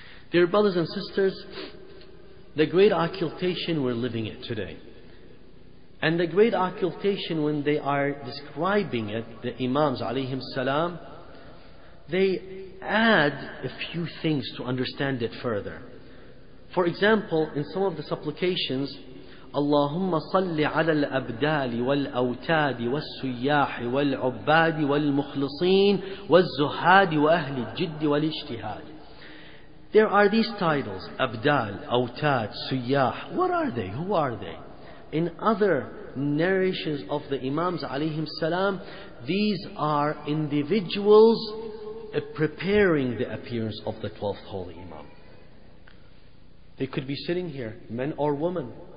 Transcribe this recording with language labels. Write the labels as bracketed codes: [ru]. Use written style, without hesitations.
[en] Dear brothers and sisters, the great occultation, we're living it today. And the great occultation, when they are describing it, the Imams alayhi salam, they add a few things to understand it further. For example, in some of the supplications, [ar] اللهم صل على الأبدال والأوتاد والسياح والعباد والمخلصين والزهاد وأهل الجد والاجتهاد. [en] There are these titles, [ar] أبدال, أوتاد, سياح. [en] What are they? Who are they? In other narrations of the Imams [ar] عليهم السلام, [en] these are individuals preparing the appearance of the 12th Holy Imam. They could be sitting here, men or women.